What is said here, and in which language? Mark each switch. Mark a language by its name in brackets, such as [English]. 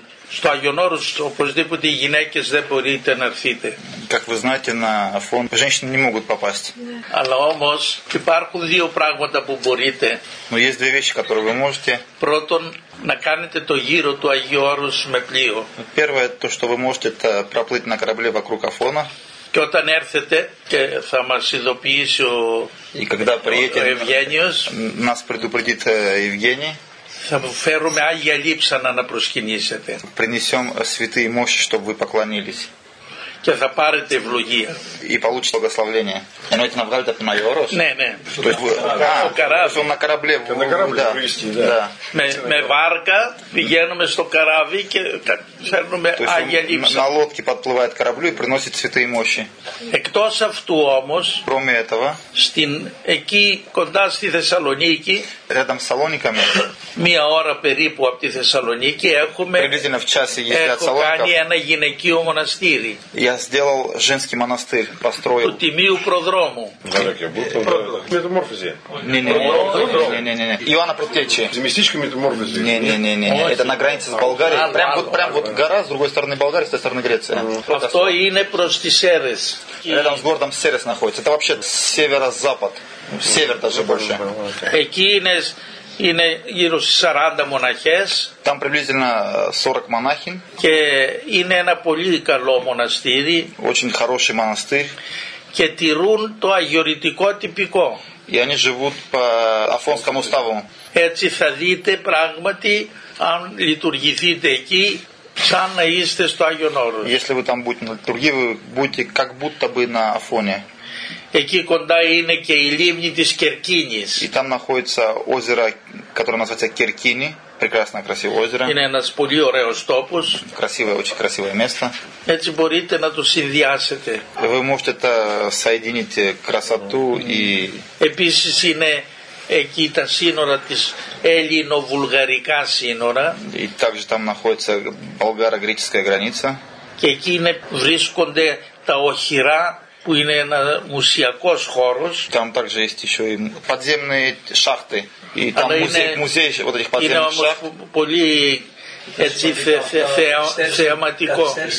[Greek] Στο Άγιον Όρος οπωσδήποτε οι γυναίκες δεν μπορείτε να έρθείτε. [Russian] Как вы знаете, на Афон женщины не могут попасть. [Greek] Αλλά όμως υπάρχουν δύο πράγματα που μπορείτε. [Russian] Но есть две вещи, которые вы можете. [Greek] Πρώτον, να κάνετε το γύρο του Αγίου Όρους με πλοίο. [Russian] Первое, то, что вы можете, это проплыть на корабле вокруг Афона. [Greek] Και όταν έρθετε και θα μας ειδοποιήσει ο Ευγένιος. [Russian] Нас предупредит Евгений. [Greek] Θα φέρουμε Άγια Λείψανα να προσκυνήσετε. [Russian] Принесем святые мощи, чтобы вы поклонились. [Greek] Και θα πάρετε ευλογία. [Russian] И получите благословение. [Greek] Εννοείται να βγάλετε από τον Άγιο Όρος. Ναι, ναι. [Russian] То есть, [Greek] στο καράβι. [Russian] На корабле. Και на корабле вывести, да. [Greek] Με βάρκα πηγαίνουμε στο καράβι και φέρνουμε Άγια Λείψανα. [Russian] На лодке подплывает кораблю и приносит святые мощи. [Greek] Εκτός αυτού όμως, [Russian] кроме этого, [Greek] εκεί κοντά στη Θεσσαλονίκη, [Russian] рядом с Салониками, [Greek] μία ώρα περίπου από τη Θεσσαλονίκη έχουμε κάνει ένα γυναικείο μοναστήρι. [Russian] Я сделал женский монастырь, построил. [Greek] Του Τιμίου Προδρόμου. [Russian] Метаморфозе. Не-не-не. Ивана Предтечи. Местечко метаморфозе. Не-не-не. Это на границе с Болгарией. Прям вот гора с другой стороны Болгарии, с той стороны Греции. Авто ине прости Серес. Рядом с городом Серес находится. Это вообще северо-запад. Север даже больше. Экинес. [Greek] Είναι γύρω στις 40 μοναχές. [Russian] Там приблизительно 40 монахинь. [Greek] Και είναι ένα πολύ καλό μοναστήρι. [Russian] Очень хороший монастырь. [Greek] Και τηρούν το αγιορητικό τυπικό. [Russian] И они живут по Афонскому уставу. [Greek] Έτσι θα δείτε πράγματι αν λειτουργηθείτε εκεί σαν να είστε στο Άγιον Όρος. [Russian] Если вы там будете на литургии, вы будете как будто бы на Афоне. [Greek] Εκεί κοντά είναι και η λίμνη της Κερκίνης. [Russian] И там находится озеро, которое называется Керкини. прекрасное красивое озеро. [Greek] Είναι ένας πολύ ωραίος τόπος. [Russian] Красивое, очень красивое место. [Greek] Έτσι μπορείτε να το συνδυάσετε. [Russian] Вы можете это соединить красоту и... [Greek] Επίσης είναι εκεί τα σύνορα της Έλληνο-Βουλγαρικά σύνορα. [Russian] И также там находится болгаро-греческая граница. [Greek] Και εκεί είναι, βρίσκονται τα οχυρά που είναι ένα μουσιακός χώρος. [Russian] Там также есть еще и подземные шахты. И там музей вот этих подземных шахт. [Greek] Είναι όμως πολύ έτσι θεαματικό.